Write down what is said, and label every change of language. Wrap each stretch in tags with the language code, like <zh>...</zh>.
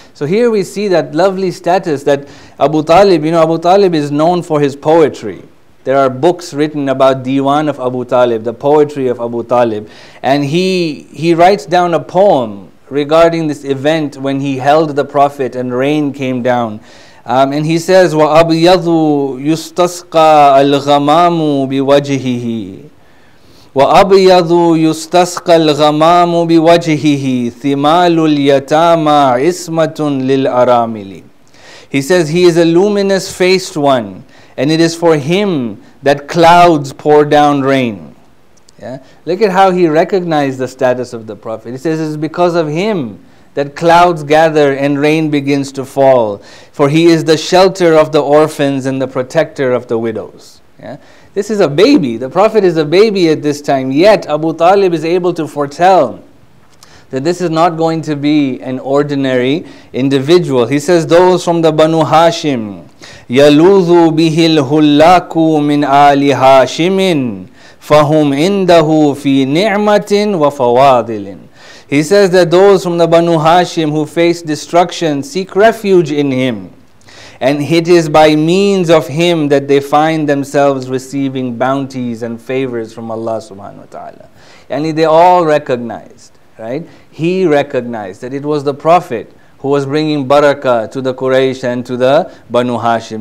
<en>So here we see that lovely status that Abu Talib, you know, Abu Talib is known for his poetry. There are books written about Diwan of Abu Talib, the poetry of Abu Talib. And he writes down a poem regarding this event when he held the Prophet and rain came down. And he says,</en> <ar>وَأَبْيَضُ يُسْتَسْقَى الْغَمَامُ بِوَجْهِهِ وَأَبْيَضُ يُسْتَسْقَى الْغَمَامُ بِوَجْهِهِ ثِمَالُ الْيَتَامَى عِسْمَةٌ لِلْأَرَامِلِ.</ar> <en>He says, he is a luminous faced one, and it is for him that clouds pour down rain. Yeah? Look at how he recognized the status of the Prophet. He says, it's because of him that clouds gather and rain begins to fall. For he is the shelter of the orphans and the protector of the widows. Yeah? This is a baby. The Prophet is a baby at this time. Yet Abu Talib is able to foretell that this is not going to be an ordinary individual. He says, those from the Banu Hashim,</en> <ar>يَلُوذُ بِهِ الْهُلَّاكُ مِنْ آلِ هَاشِمٍ فَهُمْ عِنْدَهُ فِي نِعْمَةٍ وَفَوَاضِلٍ.</ar> <en>He says that those from the Banu Hashim who face destruction seek refuge in him. And it is by means of him that they find themselves receiving bounties and favors from Allah subhanahu wa ta'ala. And they all recognized, right? He recognized that it was the Prophet who was bringing barakah to the Quraysh and to the Banu Hashim.</en>